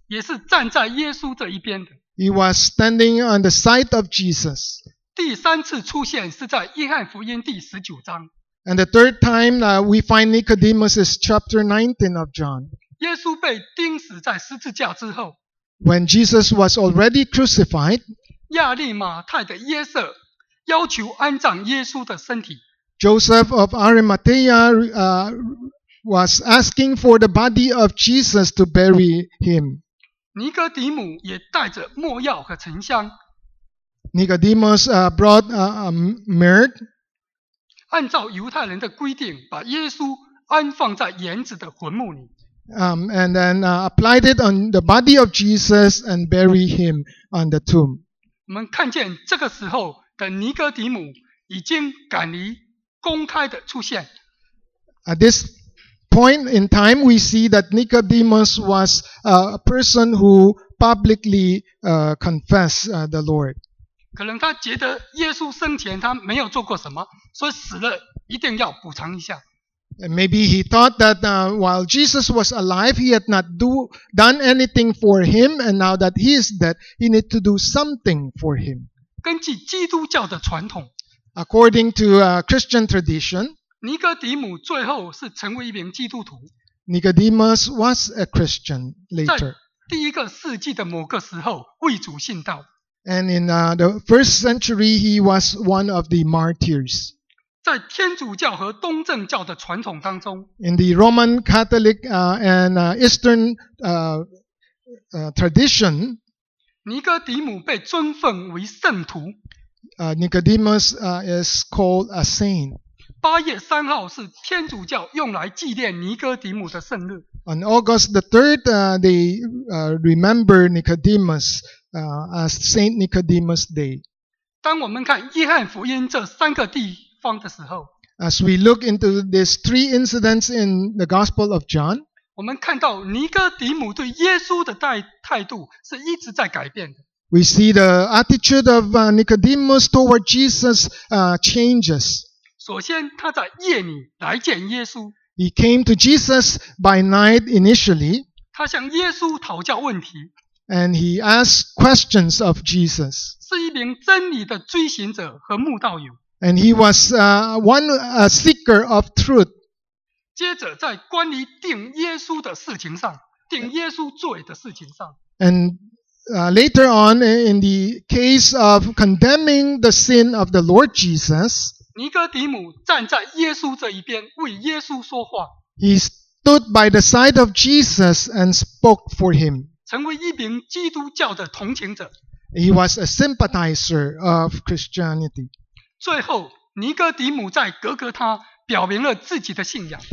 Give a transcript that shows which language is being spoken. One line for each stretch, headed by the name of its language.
Chinese: 也是站在耶稣这一边的。
English: He was standing on the side of Jesus.
Chinese: 第三次出现是在约翰福音第十九章。
English: And the third time we find Nicodemus is chapter 19 of John.
Chinese: 耶稣被钉死在十字架之后。
English: When Jesus was already crucified,
Chinese: 亚利马太的约瑟要求安葬耶稣的身体。
English: Joseph of Arimathea was asking for the body of Jesus to bury him.
Chinese: 尼哥底母也带着没药和沉香。
English: Nicodemus brought myrrh.
Chinese: 按照犹太人的规定，把耶稣安放在园子的坟墓里。
English: And then applied it on the body of Jesus and buried him on the tomb.
Chinese: 我们看见这个时候的尼哥底母已经敢离。公开的出现。
English: At this point in time, we see that Nicodemus was a person who publicly confessed the Lord.
Chinese: 可能他觉得耶稣生前他没有做过什么，所以死了一定要补偿一下。
English: And maybe he thought that while Jesus was alive, he had not done anything for him, and now that he is dead, he need to do something for him.
Chinese: 根据基督教的传统。
English: According to Christian tradition,
Chinese: 尼哥底母最后是成为一名基督徒。
English: Nicodemus was a Christian later.
Chinese: 在第一个世纪的某个时候，为主殉道。
English: And in the first century, he was one of the martyrs.
Chinese: 在天主教和东正教的传统当中。
English: In the Roman Catholic and Eastern tradition,
Chinese: 尼哥底母被尊奉为圣徒。
English: Nicodemus is called a saint.
Chinese: 八月三号是天主教用来纪念尼哥底母的圣日。
English: On August the 3rd, they remember Nicodemus as Saint Nicodemus Day.
Chinese: 当我们看约翰福音这三个地方的时候
English: ，As we look into these three incidents in the Gospel of John,
Chinese: 我们看到尼哥底母对耶稣的态度是一直在改变的。
English: We see the attitude of Nicodemus toward Jesus changes.
Chinese: 首先，他在夜里来见耶稣。
English: He came to Jesus by night initially.
Chinese: 他向耶稣讨教问题。
English: And he asked questions of Jesus.
Chinese: 是一名真理的追寻者和慕道友。
English: And he was a seeker of truth.
Chinese: 接着，在关于定耶稣的事情上，定耶稣罪的事情上。
English: Later on, in the case of condemning the sin of the Lord Jesus,
Chinese: 尼哥底母站在耶稣这一边为耶稣说话。
English: He stood by the side of Jesus and spoke for him.
Chinese: 成为一名基督教的同情者。
English: He was a sympathizer of Christianity.
Chinese: 最后，尼哥底母在格格他表明了自己的信仰。